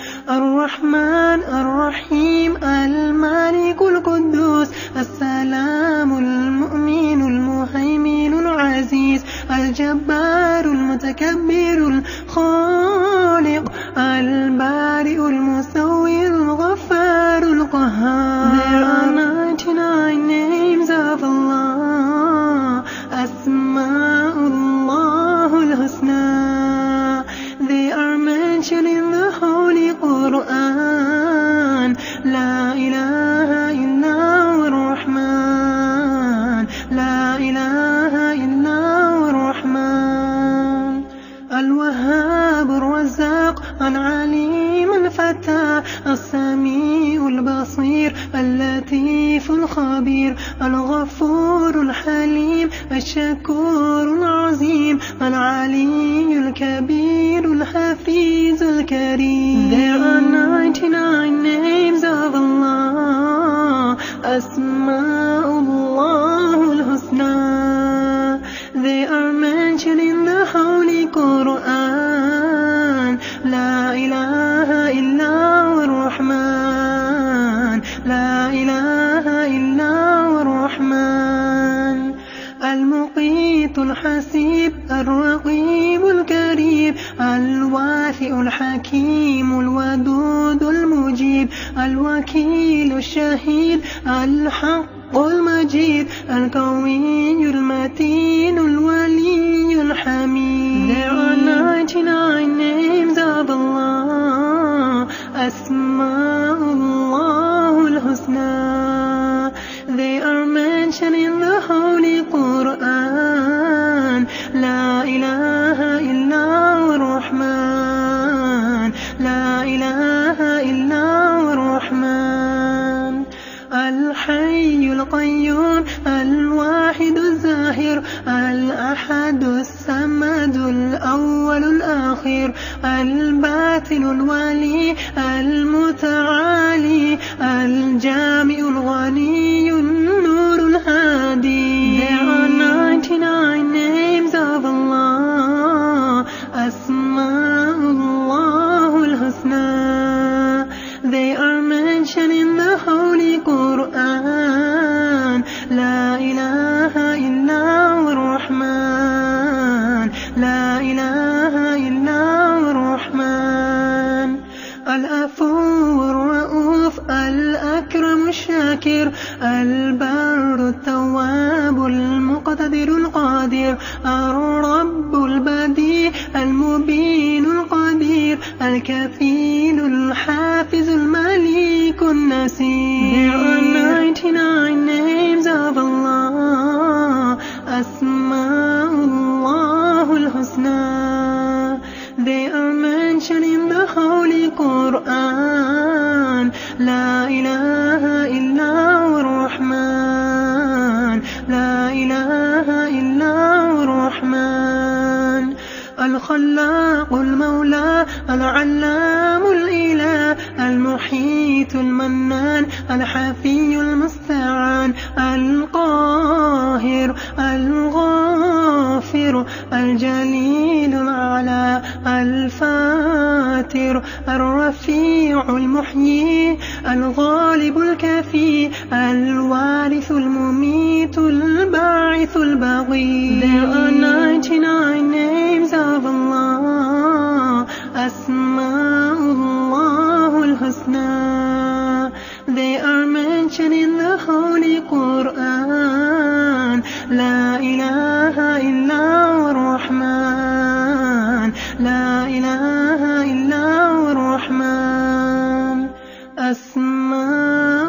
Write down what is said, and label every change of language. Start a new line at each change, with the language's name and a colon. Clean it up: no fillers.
Arabic: الرحمن الرحيم الملك القدوس السلام المؤمن المهيمن العزيز الجبار المتكبر الخالق البارئ المسوي الغفار القهار.
English: There are 99 names of Allah.
Arabic: أسماء الله الحسنى.
English: They are mentioned in the Holy Quran.
Arabic: لا إله إلا هو الرحمن. لا إله إلا هو الرحمن. الوهاب الرزاق العليم الفتى السميع البصير اللطيف الخبير الغفور الحليم الشكور العظيم العلي الكبير الحفيظ الكريم.
English: There are 99 names of Allah.
Arabic: أسماء الله الحسنى.
English: They are mentioned in the Holy Quran.
Arabic: لا إله إلا هو الرحمن. لا إله إلا هو الرحمن. المقيت الحسيب الرقيب الكريم الوافئ الحكيم الودود المجيب الوكيل الشهيد الحق المجيد القوي المتين الولي الحميد.
English: There are 99 names of Allah.
Arabic: أسماء الله الحسنى.
English: They are mentioned in the Holy Quran.
Arabic: لا إله إلا هو الرحمن. لا إله إلا هو الرحمن. الحي القيوم الواحد الظاهر الأحد الصمد الأول الآخر الباطن الولي المتعالي الجامع الغني النور الهادي.
English: There are 99 names of Allah.
Arabic: أسماء الله الحسنى.
English: They are mentioned in the Holy Quran.
Arabic: لا إله إلا هو الرحمن. لا إله إلا هو الرحمن. العفو الرؤوف الأكرم الشاكر البر التواب المقتدر القادر الرب البديع المبين القدير الكفيل الحافظ المليك النسير.
English: There are 99 names of Allah.
Arabic: أسماء الله الحسنى.
English: They are mentioned in the Holy Quran.
Arabic: لا إله إلا هو الرحمن. لا إله إلا هو الرحمن. الخلاق المولى العلام الإله المحيط المنان الحفي المستعان القاهر الغافر الجليل العلا الفاتر الرفيع المحيي الغالب الكفي الوارث المميت الباعث البغي.
English: There are 99 names of Allah.
Arabic: أسماء الله الحسنى.
English: They are mentioned in the Holy Quran.
Arabic: لا إله إلا هو الرحمن. لا إله إلا هو الرحمن. أسماء الله الحسنى.